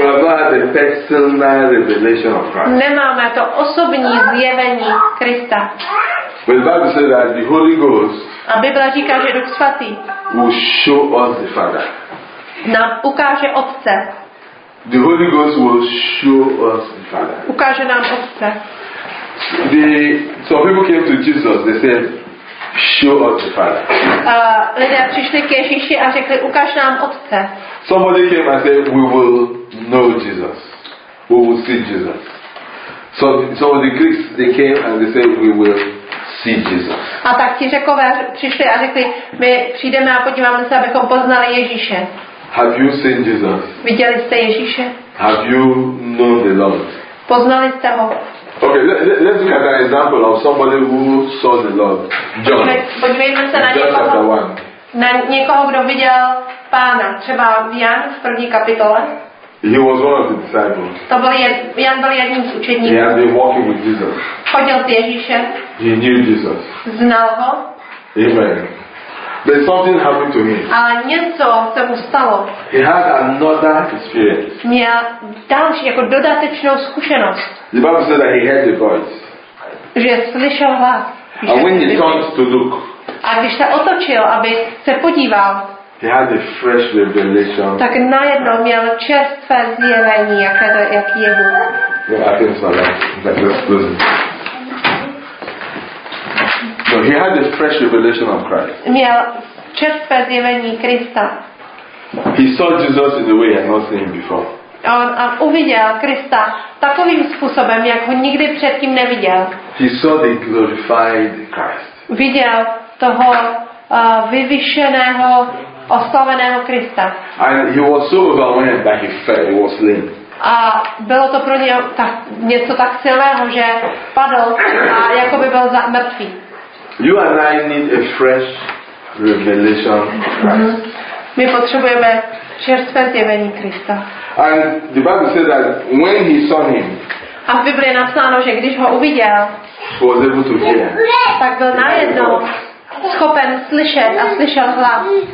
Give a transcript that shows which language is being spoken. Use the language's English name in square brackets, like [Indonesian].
[English] We have not had a personal revelation of Christ. [Czech] Nemáme to osobní zjevení Krista. [English] When the Bible says that the Holy Ghost, [Czech] a Bible říká, že Duch svatý, [English] will show us the Father. [Czech] Nám ukáže Otce. [English] The Holy Ghost will show us the Father. [Czech] Ukáže nám Otce. [English] Some people came to Jesus. They said, "Show us the Father." [Czech] Lidé přišli k Ježíši a řekli, ukáž nám Otce. [English] Somebody came and said, "We will know Jesus. We will see Jesus." So the Greeks, they came and they said, "We will see Jesus." [Czech] A tak ti Řekové přišli a řekli, my přijdeme a podíváme se, abychom poznali Ježíše. [English] Have you seen Jesus? [Czech] Viděli jste Ježíše? [English] Have you known the Lord? [Czech] Poznali jste ho? [English] Okay, let's look at an example of somebody who saw the Lord. John. [Czech] Podívejme se na někoho, kdo viděl Pána, třeba Jan v první kapitole. [English] He was one of the disciples. [Czech] To byl Jan byl jedním z učeníků. [English] He had been walking with Jesus. [Czech] Chodil s Ježíšem. [English] He knew Jesus. [Czech] Znal ho. [English] Amen. But something happened to him. [Czech] Ale něco se mu stalo. [English] He had another experience. [Czech] Měl další jako dodatečnou zkušenost. [English] The Bible says that he heard the voice. [Czech] Že slyšel hlas. [English] And when he turned to look. [Czech] A když se otočil, aby se podíval. [English] He had a fresh revelation. [Czech] Tak najednou měl čerstvé zjevení, jaký je Bůh. [English] Yeah, I think so. That's good. No, he had a fresh revelation of Christ. [Czech] Měl čerstvé zjevení Krista. [English] He saw Jesus in the way he had not seen him before. [Czech] A uviděl Krista takovým způsobem, jak ho nikdy předtím neviděl. [English] He saw the glorified Christ. [Czech] Viděl toho vyvyšeného, oslaveného Krista. [English] And he was so overwhelmed that he fell, he was lame. [Czech] A bylo to pro něj něco tak silného, že padl a jako by byl mrtvý. [English] You and I need a fresh revelation of Christ. [Czech] My potřebujeme čerstvé zjevení Krista. [English] And the Bible says that when he saw him, [Czech] a v Biblii je napsáno, že když ho uviděl, [English] was able to hear, [Czech] tak byl najednou schopen slyšet a slyšel hlas.